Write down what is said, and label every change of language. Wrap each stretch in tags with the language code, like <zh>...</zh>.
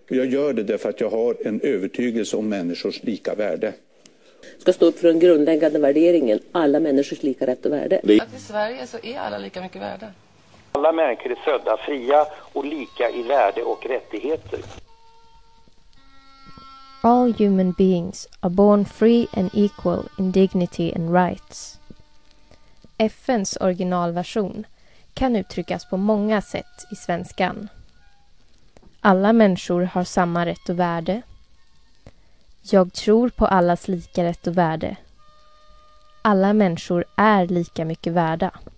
<sv>jag gör det därför att jag har en övertygelse om människors lika värde. Ska stå upp för den grundläggande värderingen, alla människors lika rätt och värde. Att i Sverige så är alla lika mycket värde. Alla människor är födda fria och lika i värde och rättigheter.</sv> <en>All human beings are born free and equal in dignity and rights.</en> <sv>FNs originalversion kan uttryckas på många sätt i svenskan. Alla människor har samma rätt och värde. Jag tror på allas lika rätt och värde. Alla människor är lika mycket värda.</sv>